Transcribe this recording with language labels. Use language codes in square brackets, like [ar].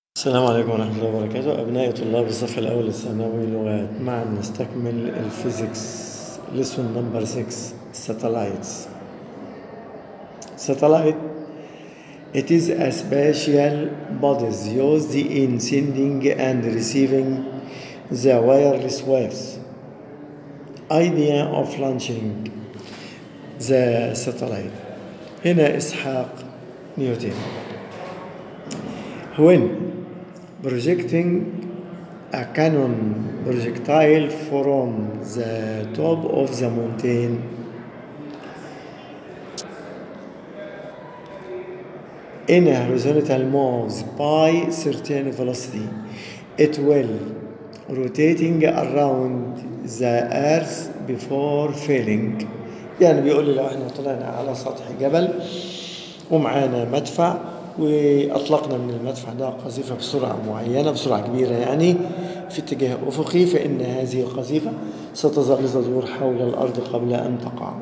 [ar] السلام عليكم ورحمة الله وبركاته. أبنائي طلاب الصف الأول الثانوي لغات، معا نستكمل [en] الفيزيكس lesson number 6 satellites. Satellite it is a special body used in sending and receiving the wireless waves. Idea of launching the satellite. [ar] هنا إسحاق نيوتن. [en] When projecting a cannon projectile from the top of the mountain, in a horizontal moves by certain velocity, it will rotating around the earth before falling. [ar] يعني بيقول لي لو احنا طلعنا على سطح جبل ومعانا مدفع وأطلقنا من المدفع ده قذيفة بسرعة معينة، بسرعة كبيرة يعني، في اتجاه أفقي، فإن هذه القذيفة ستظل تدور حول الأرض قبل أن تقع.